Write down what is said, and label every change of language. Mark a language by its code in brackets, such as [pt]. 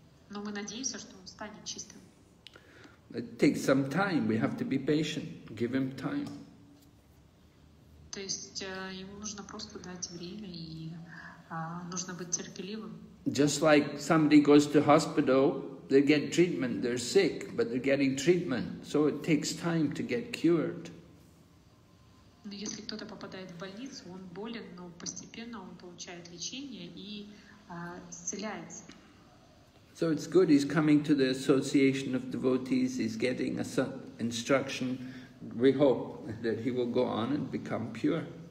[ru] Но мы надеемся, что он станет чистым. [en] It takes some time. We have to be patient. Give him time. [ru] То есть ему нужно просто дать время и нужно быть терпеливым. [en] Just like somebody goes to hospital. They get treatment, they're sick, but they're getting treatment. So it takes time to get cured. [ru] Если кто-то попадает в больницу, он болен, но постепенно он получает лечение и исцеляется. [en] So it's good he's coming to the association of devotees, he's getting instruction. We hope that he will go on and become pure.